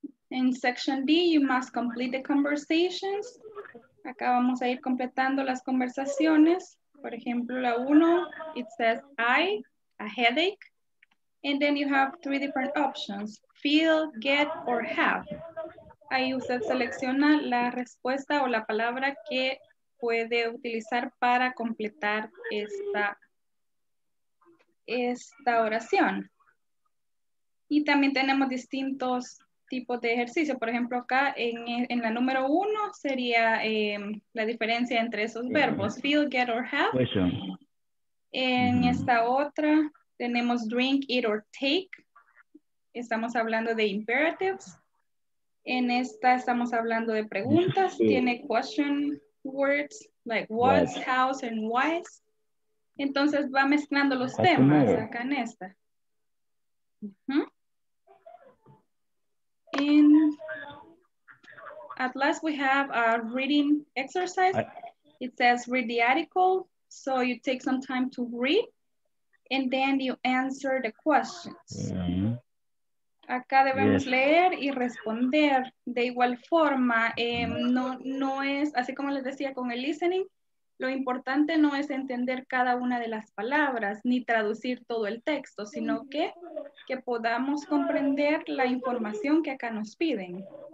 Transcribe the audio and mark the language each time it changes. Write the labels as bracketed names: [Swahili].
[English] In section D, you must complete the conversations. [Spanish] Acá vamos a ir completando las conversaciones. Por ejemplo, la uno, [English] it says I, a headache. And then you have three different options, feel, get, or have. [Spanish] Ahí usted selecciona la respuesta o la palabra que puede utilizar para completar esta oración. Y también tenemos distintos tipos de ejercicio. Por ejemplo, acá en la número uno sería la diferencia entre esos verbos, feel, get, or have. [English] Question. [Spanish] En esta otra tenemos drink, eat, or take. Estamos hablando de imperatives. En esta estamos hablando de preguntas. Tiene [English] question words like what's, how's, and why's. [Spanish] Entonces va mezclando los temas acá en esta. [English] And at last we have a reading exercise. It says read the article. So you take some time to read and then you answer the questions. [Spanish] Acá debemos leer y responder de igual forma. No es, así como les decía con el listening, lo importante no es entender cada una de las palabras ni traducir todo el texto, sino que podamos comprender la información que acá nos piden.